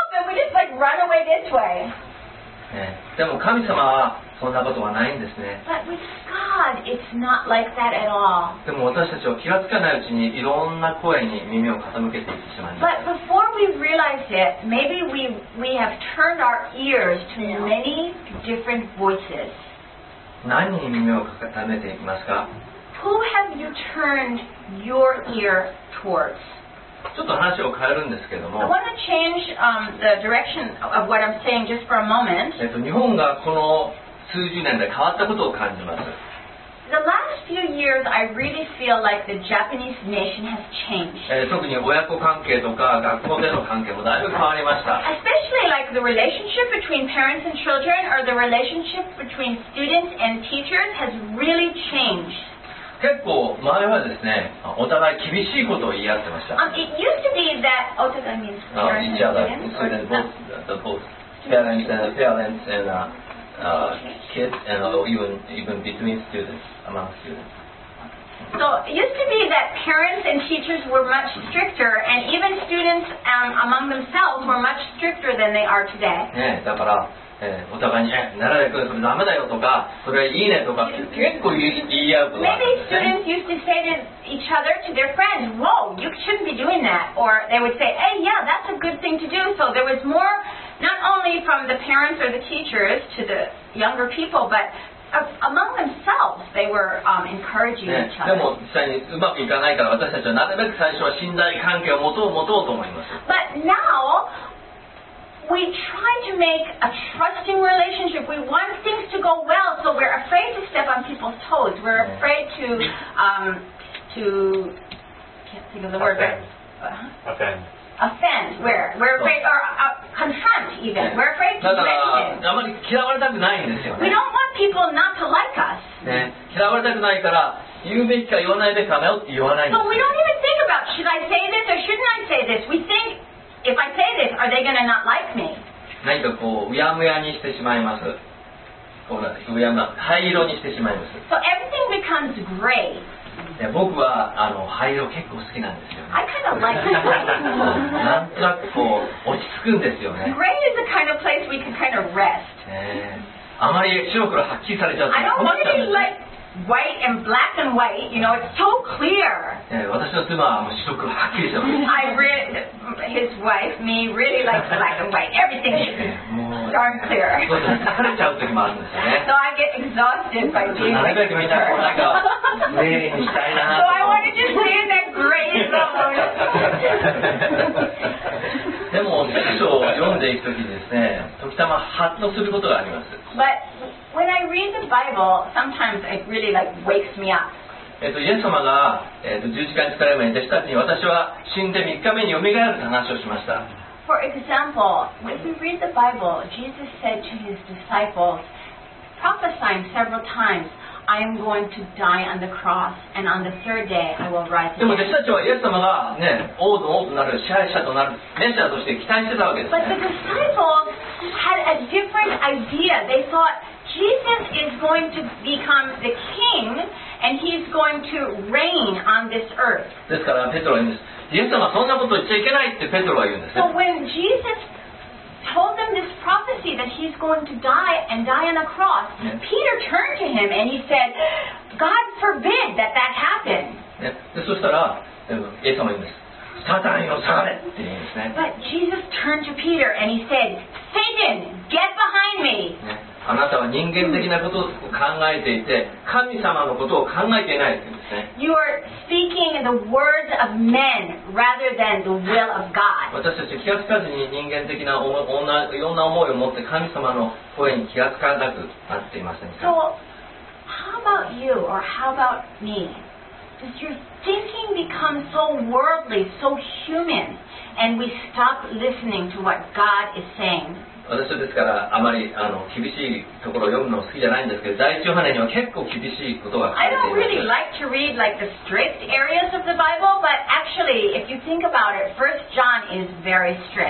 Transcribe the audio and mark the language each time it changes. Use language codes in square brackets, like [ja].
[en] We just feel like, oh, help! And we just like run away this way. [ja] ね、でも神様はそんなことはないんですね。 [en] But with God, it's not like that at all. [ja] でも私たちは気がつかないうちにいろんな声に耳を傾けていってしまいます。 [en] But before we realize it, maybe we have turned our ears to many different voices. [ja] 何に耳を傾けていますか? [en] Who have you turned your ear towards? [ja] ちょっと話を変えるんですけども。 [en] I want to change, the direction of what I'm saying just for a moment. [ja] 日本がこの数十年で変わったことを感じます。 [en] The last few years, I really feel like the Japanese nation has changed. [ja] 特に親子関係とか学校での関係もだいぶ変わりました。 [en] Especially like the relationship between parents and children or the relationship between students and teachers has really changed. [ja] 結構前はですね、お互い厳しいことを言い合ってました。 [en] It used to be that お互い means parents and students. Parents and kids and even between students, among students. So it used to be that parents and teachers were much stricter and even students among themselves were much stricter than they are today. [ja] ね、だからお互いに、ならないことそれダメだよとか、それいいねとか、結構言い合うことがあるんです [en] Maybe students used to say to each other, to their friends, whoa, you shouldn't be doing that. Or they would say, hey, yeah, that's a good thing to do. So there was more, not only from the parents or the teachers to the younger people, but among themselves, they were encouraging each other. [ja] でも実際にうまくいかないから、私たちはなるべく最初は信頼関係を持とうと思います。 [en] But now,We try to make a trusting relationship. We want things to go well, so we're afraid to step on people's toes. We're afraid to, can't think of the word, offend. We're afraid, or confront even. We're afraid to do anything. [ja] あまり嫌われたくないんですよね。 [en] We don't want people not to like us. [ja] ね、嫌われたくないから、言うべきか言わないべきかよって言わないんです。 [en] So we don't even think about, should I say this or shouldn't I say this? We think,If I say this, are they going to not like me? [ja] 何かこううやむやにしてしまいます。こうなんです。うやむ、灰色にしてしまいます。 [en] So everything becomes gray. [ja] いや、僕は灰色結構好きなんですよ、ね。 [en] I kind of like it. [ja] なんとなくこう落ち着くんですよね。 [en] Gray is the kind of place we can kind of rest. [ja] あまり白黒はっきりされちゃうと困っちゃうんですね。 [en] White and black and white, you know, it's so clear. [ja] Yeah, 私の妻はもう白黒はっきりしてます。 [en] I read his wife, me, really likes black and white. Everything is darn clear. [ja] そうですね、疲れちゃう時もあるんですよね。 [en] So I get exhausted by being like her. [ja] なるべくみんなこうなんか、ねえ、したいなと。 [en] So I want to just stay in that gray zone. [ja] でも、聖書を読んでいく時にですね、時たまハッとすることがあります。 [en] But,When I read the Bible, sometimes it really like wakes me up. [ja] イエス様が、十字架に疲れ目に弟子たちに私は死んで3日目に蘇ると話をしました。 [en] For example, when we read the Bible, Jesus said to his disciples, prophesying several times, I am going to die on the cross, and on the third day I will rise again. [ja] でも弟子たちはイエス様がね、王の王となる支配者となるメシアとして期待してたわけです、ね。 [en] But the disciples had a different idea. They thought Jesus is going to become the king, and he's going to reign on this earth. [ja] ですからペトロ言うんです。イエス様はそんなこと言っちゃいけないってペトロは言うんです、ね。 [en] So when Jesus told them this prophecy that he's going to die and die on a cross, Peter turned to him and he said, God forbid that that happen. [ja] そしたら、イエス様言うんです。サタンよ、下がれって言うんですね。 [en] But Jesus turned to Peter and he said, Satan, get behind me. [ja] あなたは人間的なことを考えていて、神様のことを考えていないって言うんですね。 [en] You are speaking the words of men rather than the will of God. [ja] 私たちは気がつかずに人間的な いろんな思いを持って神様の声に気がつかなくなっていませんか。 [en] So, how about you or how about me? Does your thinking become so worldly, so human, and we stop listening to what God is saying? [ja] 私はですからあまり厳しいところを読むの好きじゃないんですけど、第一ヨハネには結構厳しいことが書いています。 [en] I don't really like to read like the strict areas of the Bible, but actually, if you think about it, 1 John is very strict.